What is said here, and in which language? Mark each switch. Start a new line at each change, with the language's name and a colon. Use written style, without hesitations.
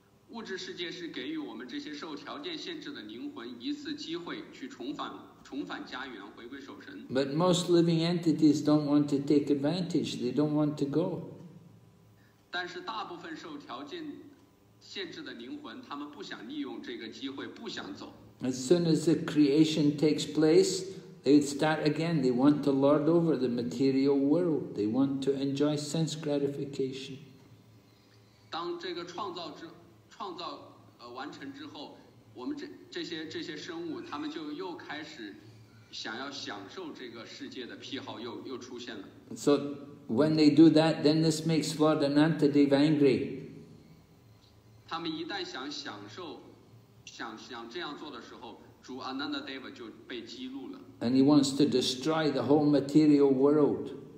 Chinese: 物质世界是给予我们这些受条件限制的灵魂一次机会去重返家园，回归守神。
English: But most living entities don't want to take advantage. They don't want to go.
Chinese: 但是大部分受条件限制的灵魂，他们不想利用这个机会，不想走。
English: As soon as the creation takes place, they start again. They want to lord over the material world. They want to enjoy sense gratification.
Chinese: 当这个创造完成之后, 我们这些生物他们就又开始想要享受这个世界的癖好又出现了。
English: So when they do that, then this makes Lord Anantadeva angry.
Chinese: 他们一旦想享受这样做的时候, 主 Anantadeva 就被激怒了。
English: And he wants to destroy the whole material world.